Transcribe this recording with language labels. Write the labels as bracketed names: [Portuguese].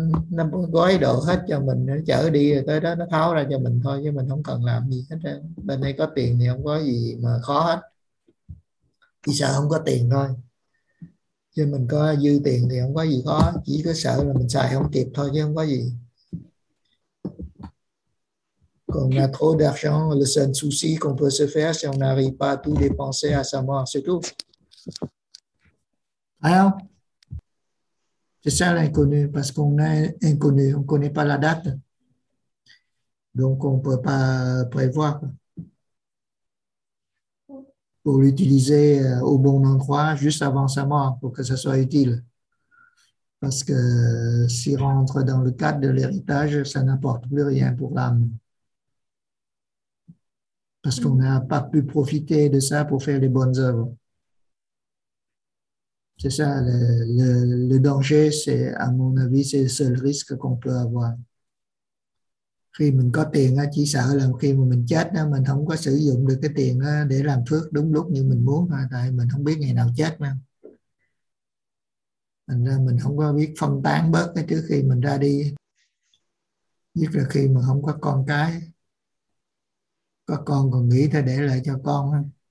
[Vietnamese] Nó gói đồ hết cho mình, nó chở đi rồi tới đó nó tháo ra cho mình thôi, chứ mình không cần làm gì hết. Bên đây có tiền thì không có gì mà khó hết, chỉ sợ không có tiền thôi, chứ mình có dư tiền thì không có gì khó, chỉ có sợ là mình xài không kịp thôi chứ không có gì. [French] qu'on a trop d'argent, le seul souci qu'on peut se faire si on n'arrive pas à tout dépenser à sa mort, c'est tout. Alors, c'est ça l'inconnu, parce qu'on est inconnu, on ne connaît pas la date. Donc, on ne peut pas prévoir. Pour l'utiliser au bon endroit, juste avant sa mort, pour que ça soit utile. Parce que s'il rentre dans le cadre de l'héritage, ça n'apporte plus rien pour l'âme. Parce qu'on n'a pas pu profiter de ça pour faire les bonnes œuvres. C'est ça, le danger, c'est, à mon avis, c'est le seul risque qu'on peut avoir. [Vietnamese] Khi mình có tiền á, chỉ sợ là khi mà mình chết á, mình không có sử dụng được cái tiền á, để làm phước đúng lúc như mình muốn, tại mình không biết ngày nào chết mà. Thành ra mình không có biết phân tán bớt cái trước khi mình ra đi. Nhất là khi mà không có con cái. Có con còn nghĩ thôi để lại cho con.